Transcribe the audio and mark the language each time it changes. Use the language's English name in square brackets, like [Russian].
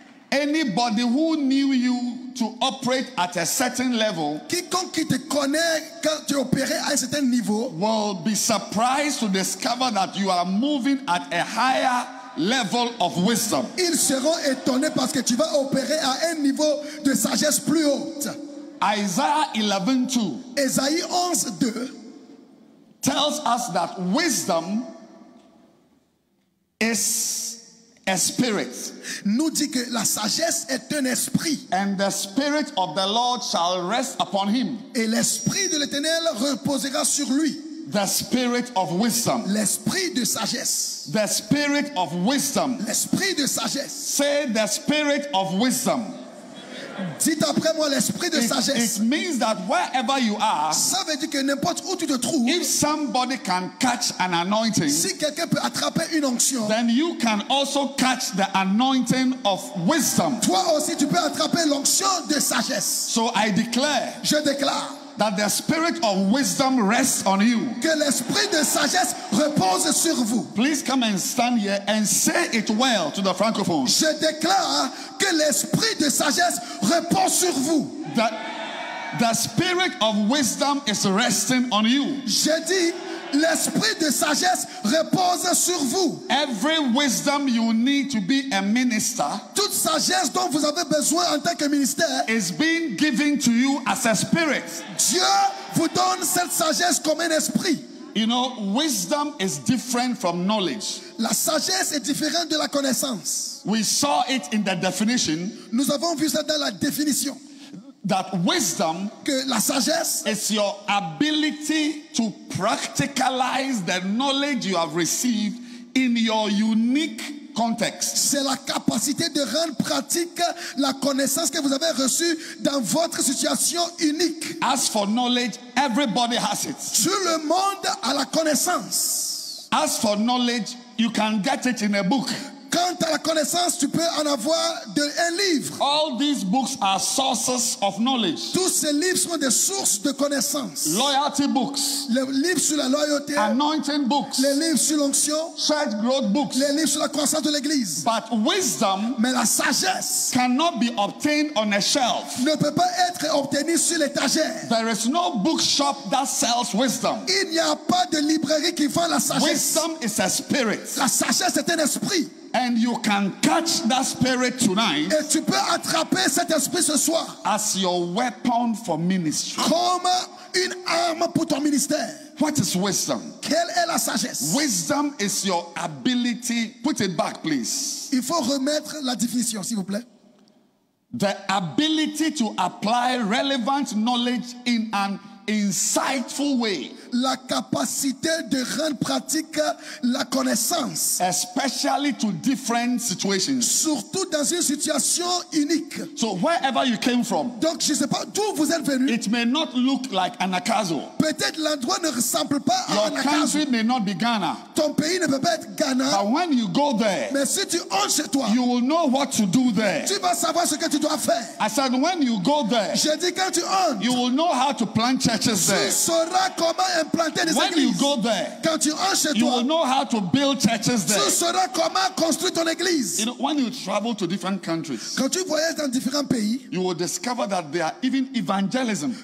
[English] Anybody who knew you to operate at a certain level, [French] quiconque qui te connaît quand tu opérais à un certain niveau, [English] will be surprised to discover that you are moving at a higher level of wisdom. [French] Ils seront étonnés parce que tu vas opérer à un niveau de sagesse plus haute. [English] Isaiah 11:2 tells us that wisdom is a spirit. [French] Nous dit que la sagesse est un esprit. [English] And the spirit of the Lord shall rest upon him. [French] Et l'esprit de l'Éternel reposera sur lui. [English] The spirit of wisdom. [French] L'esprit de sagesse. [English] The spirit of wisdom. [French] L'esprit de sagesse. [English] Say the spirit of wisdom. [French] Dites après moi l'esprit de sagesse. [English] It means that wherever you are, [French] ça veut dire que n'importe où tu te trouves, [English] if somebody can catch an anointing, [French] si quelqu'un peut attraper une onction, [English] then you can also catch the anointing of wisdom. [French] Toi aussi tu peux attraper l'onction de sagesse. [English] So I declare, [French] je déclare, [English] that the spirit of wisdom rests on you. [French] Que l'esprit de sagesse repose sur vous. [English] Please come and stand here and say it well to the francophone. [French] Je déclare que l'esprit de sagesse repose sur vous. [English] That the spirit of wisdom is resting on you. [French] Je dis, l'esprit de sagesse repose sur vous. [English] Every wisdom you need to be a minister, [French] toute sagesse dont vous avez besoin en tant que ministère, [English] is being given to you as a spirit. [French] Dieu vous donne cette sagesse comme un esprit. [English] You know, wisdom is different from knowledge. [French] La sagesse est différente de la connaissance. [English] We saw it in the definition. [French] Nous avons vu ça dans la définition. [English] That wisdom, [French] que la sagesse, [English] is your ability to practicalize the knowledge you have received in your unique context. [French] C'est la capacité de rendre pratique la connaissance que vous avez reçue dans votre situation unique. [English] As for knowledge, everybody has it. [French] Tout le monde a la connaissance. [English] As for knowledge, you can get it in a book. [French] Quant à la connaissance, tu peux en avoir un livre. [English] All these books are sources of knowledge. [French] Tous ces livres sont des sources de connaissance. [English] Loyalty books. [French] Les livres sur la loyauté. [English] Anointing books. [French] Les livres sur l'onction. [English] Church growth books. [French] Les livres sur la croissance de l'église. [English] But wisdom, [French] mais la sagesse, [English] cannot be obtained on a shelf. [French] Ne peut pas être obtenue sur l'étagère. [English] There is no bookshop that sells wisdom. [French] Il n'y a pas de librairie qui vend la sagesse. [English] Wisdom is a spirit. [French] La sagesse est un esprit. [English] And you can catch that spirit tonight. [French] Et tu peux attraper cet esprit ce soir. [English] As your weapon for ministry. [French] Comme une arme pour ton ministère. [English] What is wisdom? [French] Quelle est la sagesse? [English] Wisdom is your ability. Put it back, please. [French] Il faut remettre la définition, s'il vous plaît. [English] The ability to apply relevant knowledge in an insightful way. [French] La capacité de rendre pratique la connaissance. [English] Especially to different situations. [French] Surtout dans une situation unique. [English] So wherever you came from. [French] Donc je sais pas d'où vous êtes venu. [English] It may not look like ANAGKAZO. [French] Peut-être l'endroit ne ressemble pas [English] your [French] à ANAGKAZO. [English] Your country may not be Ghana. [French] Ton pays ne peut pas être Ghana. [English] But when you go there. [French] Mais si tu entres chez toi. [English] You will know what to do there. [French] Tu vas savoir ce que tu dois faire. [English] I said when you go there. [French] Je dis quand tu entres. [English] You will know how to plant churches there. [French] Tu sauras comment implanter des [English] when [French] églises. [English] You go there, [French] quand tu entres chez [English] you [French] toi, [English] will know how to build churches there. [French] Tu sauras comment construire ton église. [English] You know, when you travel to different countries, [French] quand tu voyages dans différents pays, [English] you will discover that there are even evangelism.